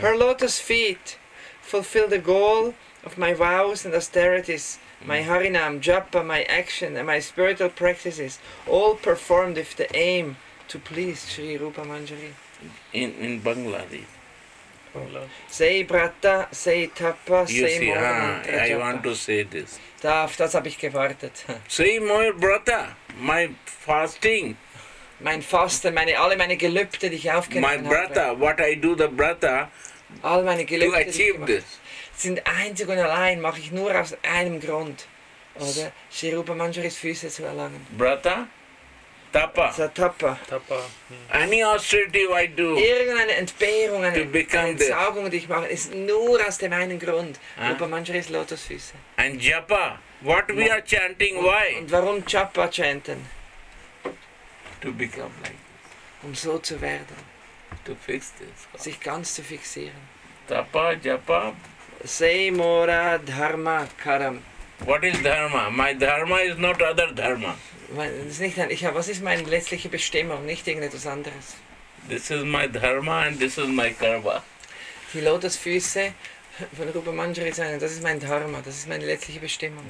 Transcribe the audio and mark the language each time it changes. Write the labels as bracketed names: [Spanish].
[English] Her lotus feet fulfill the goal of my vows and austerities, my harinam, japa, my action, and my spiritual practices, all performed with the aim to please Sri Rupa Manjari. In Bangladi. [Bangla] Say brata, say tapa, say moya mantra japa. [English] I want to say this. [German] Das habe ich gewartet. [Bangla] Say moya brata, [English] my fasting. [German] Mein Fasten, alle meine Gelübde, die ich aufgenommen habe. [English] My brata, what I do, the brata, [German] all meine Gelübde, [English] to achieve this. [German] Sind einzig und allein, mache ich nur aus einem Grund, oder? Sri Rupa Manjaris Füße zu erlangen. [English] Brata? Tapa? So, tapa. Tapa. Yeah. Any austerity I do. [German] Irgendeine Entbehrung, eine Entsaugung, die ich mache, ist nur aus dem einen Grund. Rupa Manjaris Lotusfüße. [English] And japa? What we are chanting, why? [German] Und warum japa chanten? [English] To become like this. [German] Um so zu werden. [English] To fix this. [German] Sich ganz zu fixieren. [English] Tapa, japa? [Bangla] Say mora dharma karam. [English] What is dharma? My dharma is not other dharma. [German] Was ist meine letztliche Bestimmung? Nicht irgendetwas anderes. [English] This is my dharma and this is my karma. [German] Die Lotusfüße von Rupa Manjari sagen, das ist mein Dharma, das ist meine letztliche Bestimmung.